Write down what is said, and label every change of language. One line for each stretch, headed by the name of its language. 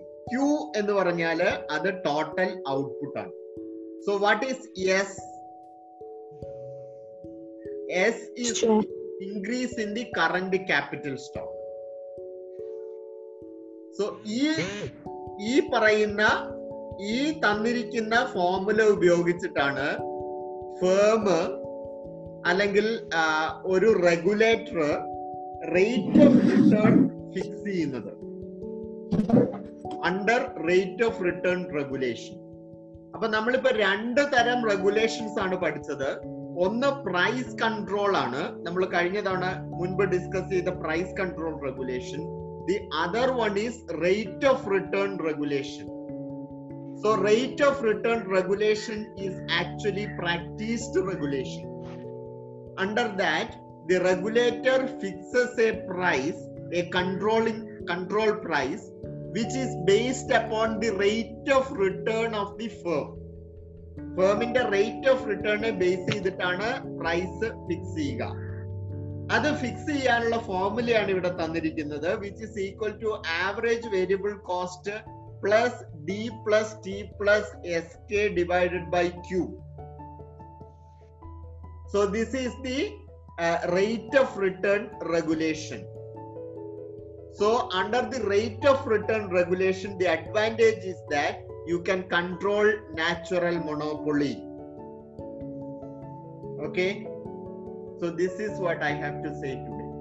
Malayalam: Q എന്ന് പറഞ്ഞാല് അത് ടോട്ടൽ ഔട്ട്പുട്ട് ആണ്.
English: So what is S? S is increase in the current capital stock.
Malayalam: So ഈ പറയുന്ന ഈ തന്നിരിക്കുന്ന ഫോർമുല ഉപയോഗിച്ചിട്ടാണ് ഫേം അല്ലെങ്കിൽ ഒരു regulator rate of return fix ചെയ്യുന്നത്, under rate of return regulation. അപ്പൊ നമ്മളിപ്പോ രണ്ട് തരം റെഗുലേഷൻസ് ആണ് പഠിച്ചത്. ഒന്ന് പ്രൈസ് കൺട്രോൾ ആണ്, നമ്മൾ കഴിഞ്ഞ തവണ മുൻപ് ഡിസ്കസ് ചെയ്ത price control regulation.
English: The other one is rate of return regulation. So rate of return regulation is actually practiced regulation. Under that, the regulator fixes a price, a control price, which is based upon the rate of return of the firm.
Malayalam: Firm-inte rate of return base cheedittana price fix cheyga. അത് fix ചെയ്യാനുള്ള ഫോർമുലയാണ് ഇവിടെ തന്നിരിക്കുന്നത്,
English: Which is equal to average variable cost plus D plus T plus S K divided by Q. So this is the rate of return regulation. So under the rate of return regulation the advantage is that you can control natural monopoly. Okay, so this is what I have to say today.